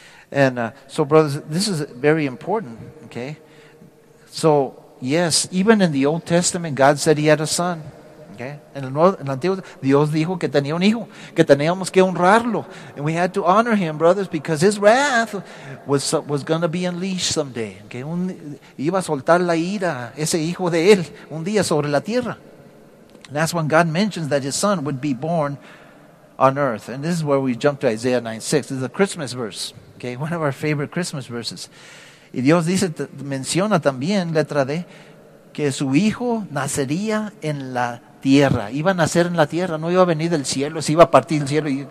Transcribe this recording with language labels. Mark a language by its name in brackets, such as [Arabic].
[English] And so brothers, this is very important, okay? So Yes, even in the Old Testament, God said he had a son. Okay. [Spanish] En el Antiguo, Dios dijo que tenía un hijo, que teníamos que honrarlo. [English] And we had to honor him, brothers, because his wrath was going to be unleashed someday. Okay. [Spanish] Iba a soltar la ira, ese hijo de él, un día sobre la tierra. [English] And that's when God mentions that his son would be born on earth. And this is where we jump to Isaiah 9:6. This is a Christmas verse. Okay, one of our favorite Christmas verses. [Spanish] Y Dios dice, menciona también, letra D, que su hijo nacería en la tierra. Iba a nacer en la tierra, no iba a venir del cielo, se iba a partir del cielo.